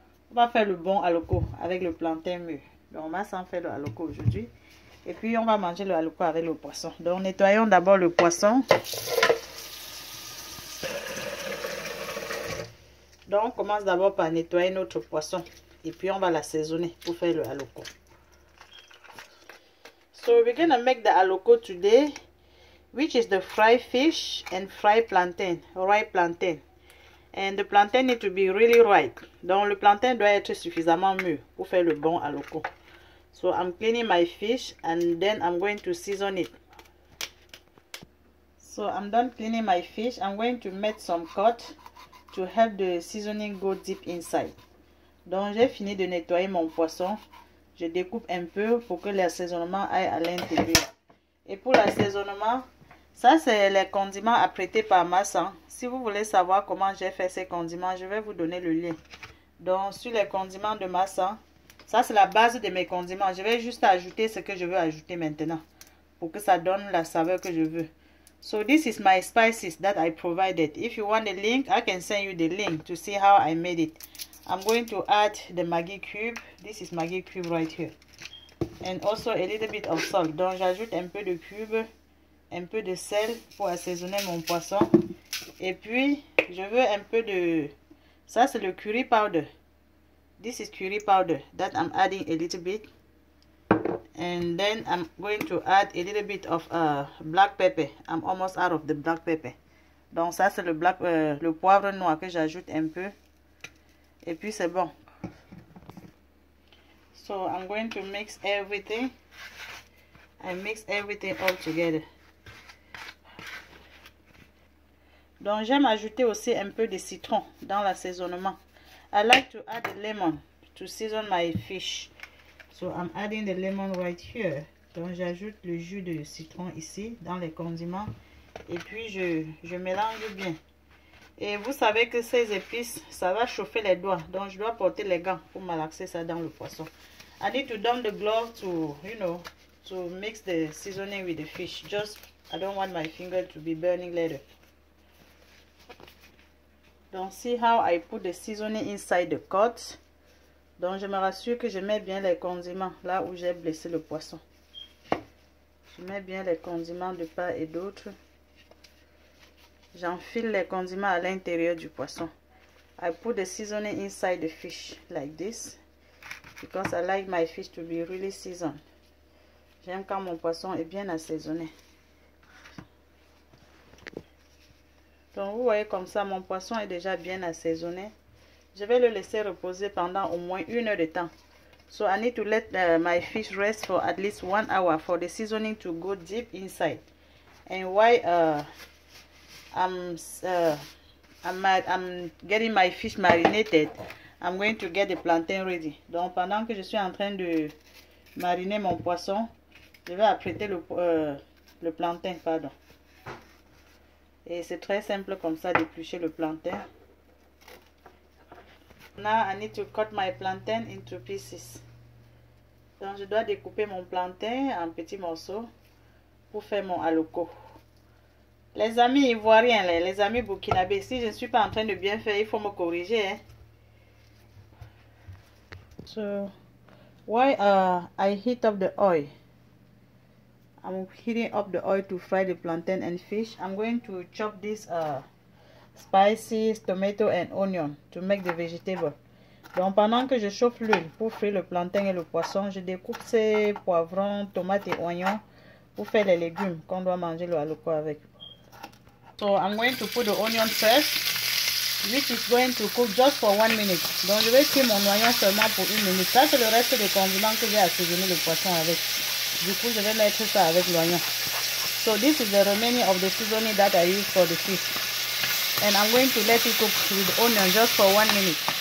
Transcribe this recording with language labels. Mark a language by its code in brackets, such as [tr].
[fr] On va faire le bon aloko avec le plantain mûr. Donc, on va s'en faire le aloko aujourd'hui. Et puis, on va manger le aloko avec le poisson. Donc, nettoyons d'abord le poisson. Donc, on commence d'abord par nettoyer notre poisson et puis on va l'assaisonner pour faire le aloko. [en] So, we're going to make the aloko today, which is the fried fish and fried plantain, ripe plantain. And the plantain need to be really ripe. [fr] Donc, le plantain doit être suffisamment mûr pour faire le bon aloko. [en] So, I'm cleaning my fish and then I'm going to season it. So, I'm done cleaning my fish. I'm going to make some cut to help the seasoning go deep inside. [fr] Donc j'ai fini de nettoyer mon poisson. Je découpe un peu pour que l'assaisonnement aille à l'intérieur. Et pour l'assaisonnement, ça c'est les condiments apprêtés par Massa. Si vous voulez savoir comment j'ai fait ces condiments, je vais vous donner le lien. Donc sur les condiments de Massa, ça c'est la base de mes condiments. Je vais juste ajouter ce que je veux ajouter maintenant pour que ça donne la saveur que je veux. [en] So this is my spices that I provided. If you want a link, I can send you the link to see how I made it. I'm going to add the Maggi cube. This is Maggi cube right here. And also a little bit of salt. [fr] Donc j'ajoute un peu de cube, un peu de sel pour assaisonner mon poisson. Et puis, je veux un peu de... Ça c'est le curry powder. [en] This is curry powder that I'm adding a little bit. And then I'm going to add a little bit of black pepper. I'm almost out of the black pepper. [fr] Donc ça c'est le poivre noir que j'ajoute un peu. Et puis c'est bon. [en] So I'm going to mix everything. I mix everything all together. [fr] Donc j'aime ajouter aussi un peu de citron dans l'assaisonnement. [en] I like to add a lemon to season my fish. So I'm adding the lemon right here. [fr] Donc j'ajoute le jus de citron ici dans les condiments. Et puis je mélange bien. Et vous savez que ces épices, ça va chauffer les doigts. Donc je dois porter les gants pour malaxer ça dans le poisson. [en] I need to dump the glove to, you know, to mix the seasoning with the fish. Just, I don't want my finger to be burning later. Donc see how I put the seasoning inside the cut. [fr] Donc, je me rassure que je mets bien les condiments là où j'ai blessé le poisson. Je mets bien les condiments de part et d'autre. J'enfile les condiments à l'intérieur du poisson. [en] I put the seasoning inside the fish like this. Because I like my fish to be really seasoned. [fr] J'aime quand mon poisson est bien assaisonné. Donc, vous voyez comme ça, mon poisson est déjà bien assaisonné. Je vais le laisser reposer pendant au moins une heure de temps. [en] So I need to let my fish rest for at least 1 hour for the seasoning to go deep inside. And while I'm getting my fish marinated, I'm going to get the plantain ready. [fr] Donc pendant que je suis en train de mariner mon poisson, je vais apprêter le plantain, pardon. Et c'est très simple comme ça d'éplucher le plantain. [en] Now I need to cut my plantain into pieces. [fr] Donc je dois découper mon plantain en petits morceaux pour faire mon aloko. Les amis ivoiriens, les amis burkinabés, si je ne suis pas en train de bien faire, il faut me corriger. Hein? [en] So, why I heat up the oil? I'm heating up the oil to fry the plantain and fish. I'm going to chop this spices, tomato and onion to make the vegetable. [fr] Donc pendant que je chauffe l'huile pour frire le plantain et le poisson, je découpe ces poivrons, tomates et oignons pour faire les légumes qu'on doit manger le aloko avec. [en] So I'm going to put the onion first, which is going to cook just for 1 minute. [fr] Donc je vais cuire mon oignon seulement pour 1 minute. Ça c'est le reste des condiments que j'ai assaisonné le poisson avec. Du coup je vais mettre ça avec l'oignon. [en] So this is the remaining of the seasoning that I use for the fish. And I'm going to let it cook with onion just for 1 minute.